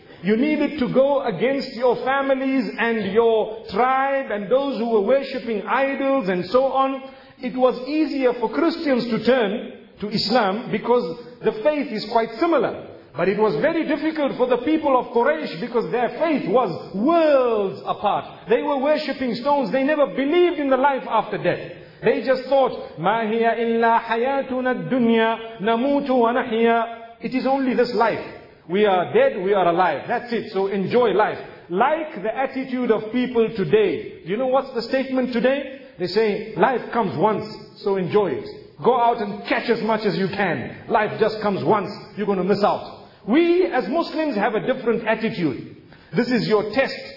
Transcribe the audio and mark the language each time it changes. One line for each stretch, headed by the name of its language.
English: You needed to go against your families and your tribe and those who were worshipping idols and so on. It was easier for Christians to turn to Islam because the faith is quite similar. But it was very difficult for the people of Quraysh because their faith was worlds apart. They were worshipping stones. They never believed in the life after death. They just thought,
Arabic: مَا هِيَ إِلَّا حَيَاتُنَا الدُّنْيَا نَمُوتُ وَنَحْيَا.
English: It is only this life. We are dead, we are alive. That's it. So enjoy life. Like the attitude of people today. You know what's the statement today? They say, life comes once, so enjoy it. Go out and catch as much as you can. Life just comes once, you're going to miss out. We as Muslims have a different attitude. This is your test.